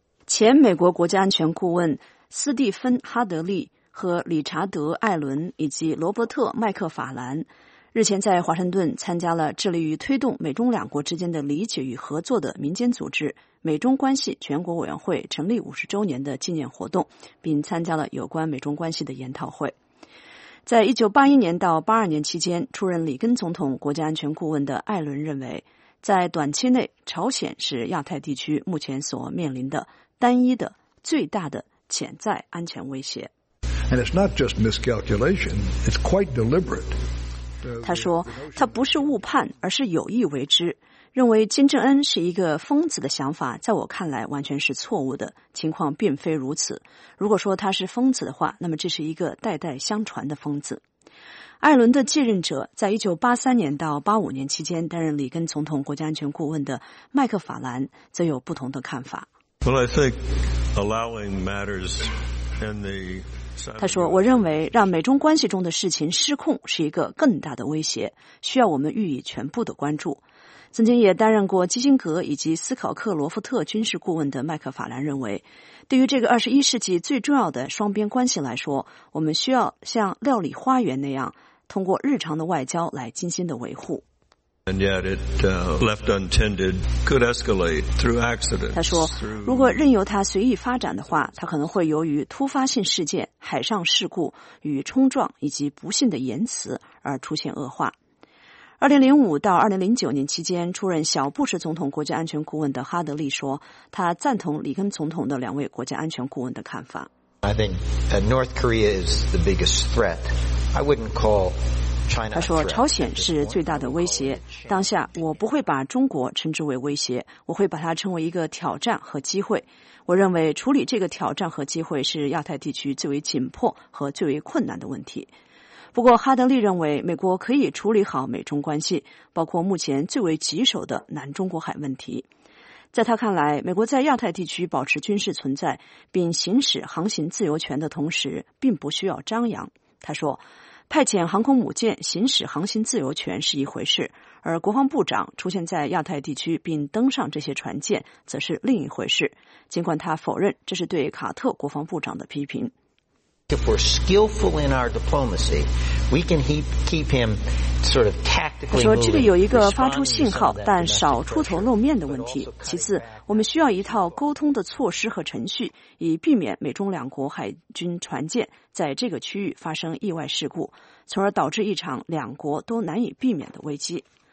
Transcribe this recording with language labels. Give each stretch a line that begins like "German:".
Chinese: 前美国国家安全顾问斯蒂芬·哈德利和理查德·艾伦以及罗伯特·麦克法兰日前在华盛顿参加了致力于推动美中两国之间的理解与合作的民间组织美中关系全国委员会成立50周年的纪念活动，并参加了有关美中关系的研讨会。在1981年到82年期间出任里根总统国家安全顾问的艾伦认为，在短期内朝鲜是亚太地区目前所面临的单一的最大的潜在安全威胁。
English: And it's not just miscalculation, it's quite deliberate.
Chinese: 他说，他不是误判，而是有意为之。认为金正恩是一个疯子的想法，在我看来完全是错误的，情况并非如此。如果说他是疯子的话，那么这是一个代代相传的疯子。艾伦的继任者，在1983年到85年期间担任里根总统国家安全顾问的麦克法兰，则有不同的看法。
English: Well, I think allowing matters in the...
Chinese: 他说，我认为让美中关系中的事情失控是一个更大的威胁，需要我们予以全部的关注。曾经也担任过基辛格以及斯考克罗夫特军事顾问的麦克法兰认为，对于这个21世纪最重要的双边关系来说，我们需要像料理花园那样通过日常的外交来精心的维护。
English: And yet it, left untended, could escalate through accidents.
Chinese: 他说，如果任由它随意发展的话，它可能会由于突发性事件、海上事故与冲撞以及不幸的言辞而出现恶化。 2005到2009年期间出任小布什总统国家安全顾问的哈德利说，他赞同里根总统的两位国家安全顾问的看法。
English: I think North Korea is the biggest threat. I wouldn't call
Chinese: 他说朝鲜是最大的威胁，当下我不会把中国称之为威胁，我会把它称为一个挑战和机会。我认为处理这个挑战和机会是亚太地区最为紧迫和最为困难的问题。不过哈德利认为美国可以处理好美中关系，包括目前最为棘手的南中国海问题。在他看来，美国在亚太地区保持军事存在并行使航行自由权的同时并不需要张扬。他说派遣航空母舰行使航行自由权是一回事，而国防部长出现在亚太地区并登上这些船舰则是另一回事，尽管他否认这是对卡特国防部长的批评。
English: If we're skillful in our diplomacy, we can keep him sort of tactically.
Chinese: 他说这里有一个发出信号但少出头露面的问题。其次，我们需要一套沟通的措施和程序，以避免美中两国海军船舰在这个区域发生意外事故，从而导致一场两国都难以避免的危机。